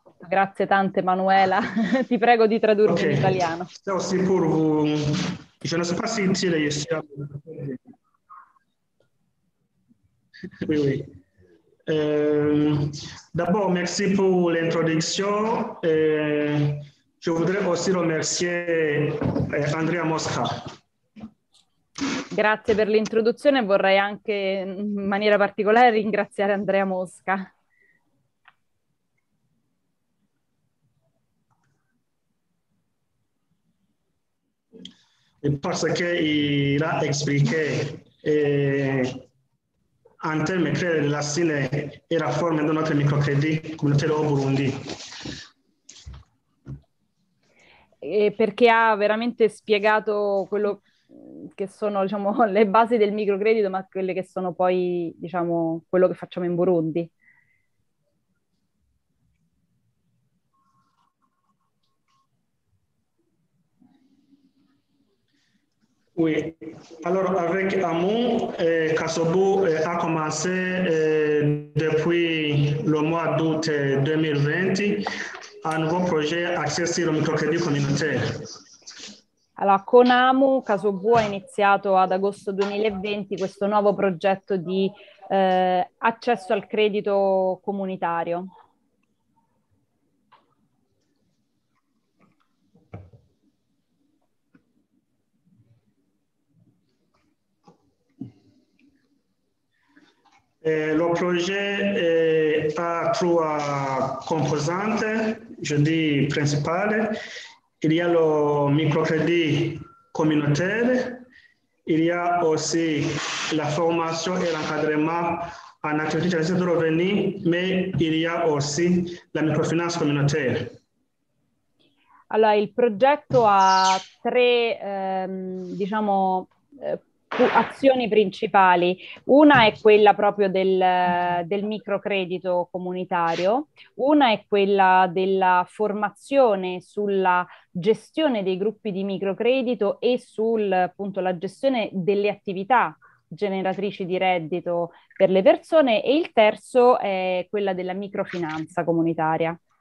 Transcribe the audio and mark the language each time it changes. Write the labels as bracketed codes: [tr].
[it] Grazie tante Emanuela, ti prego di tradurre okay. In italiano. [fr] Ciao, si pour vous. Je ne sais pas si tu es ici. Oui, oui. D'abord, merci pour l'introduction. Je voudrais aussi remercier Andrea Mosca. [it] Grazie per l'introduzione. Vorrei anche in maniera particolare ringraziare Andrea Mosca. [fr] Parce que il a expliqué. En termes de créer la Cine et la forme de notre microcrédit communautaire au Burundi. [it] Perché ha veramente spiegato quello che sono diciamo, le basi del microcredito, ma quelle che sono poi diciamo quello che facciamo in Burundi. [fr] Oui, alors avec Amon, Casobu a commencé depuis le mois d'août 2020 un nouveau projet accessible au microcrédit communautaire. [it] Allora, con Amu Casobu ha iniziato ad agosto 2020 questo nuovo progetto di accesso al credito comunitario. [fr] Le projet a trois composantes, je dis principales. Il y a le microcrédit communautaire. Il y a aussi la formation et l'encadrement en activité de revenus, mais il y a aussi la microfinance communautaire. [it] Allora, il progetto ha tre, diciamo, azioni principali. Una è quella proprio del microcredito comunitario, una è quella della formazione sulla gestione dei gruppi di microcredito e sul, appunto, la gestione delle attività generatrici di reddito per le persone, e il terzo è quella della microfinanza comunitaria.